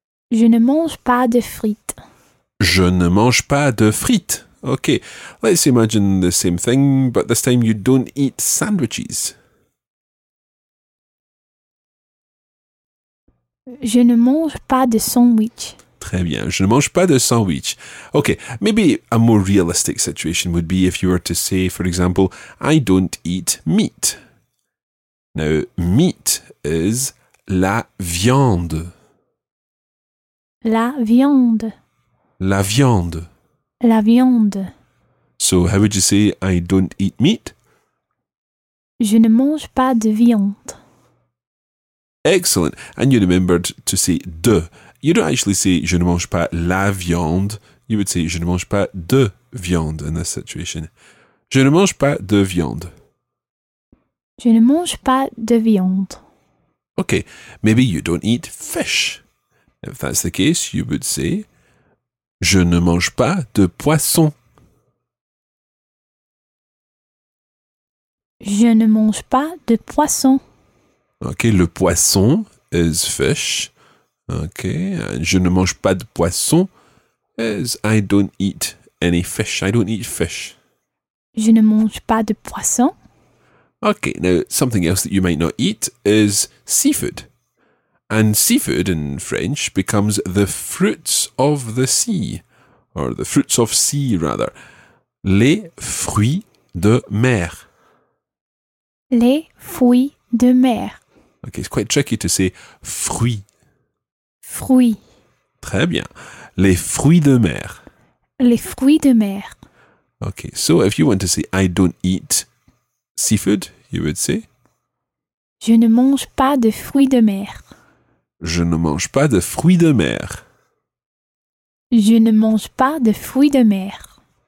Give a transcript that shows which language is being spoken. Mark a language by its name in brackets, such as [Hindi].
[French] Je ne mange pas de frites. Je ne mange pas de frites. [English] Okay, let's imagine the same thing, but this time you don't eat sandwiches. [French] Je ne mange pas de sandwich. Très bien, je ne mange pas de sandwich. [English] Okay, maybe a more realistic situation would be if you were to say, for example, I don't eat meat. Now, meat is la viande. [French] La viande. La viande. La viande. [English] So, how would you say I don't eat meat? [French] Je ne mange pas de viande. [English] Excellent. And you remembered to say de. You don't actually say [French] je ne mange pas la viande. [English] You would say [French] je ne mange pas de viande [English] in this situation. [French] Je ne mange pas de viande. Je ne mange pas de viande. [English] Okay. Maybe you don't eat fish. If that's the case, you would say [French] je ne mange pas de poisson. Je ne mange pas de poisson. [English] Okay, le poisson is fish. Okay, and [French] je ne mange pas de poisson [English] is I don't eat any fish. I don't eat fish. [French] Je ne mange pas de poisson. [English] Okay, now something else that you might not eat is seafood. And seafood in French becomes the fruits of the sea, or the fruits of sea, rather. [French] Les fruits de mer. Les fruits de mer. [English] Okay, it's quite tricky to say fruits. [French] Fruits. Très bien. Les fruits de mer. Les fruits de mer. [English] Okay, so if you want to say I don't eat seafood, you would say [French] je ne mange pas de fruits de mer. Je ne mange pas de fruits de mer. Je ne mange pas de fruits de mer.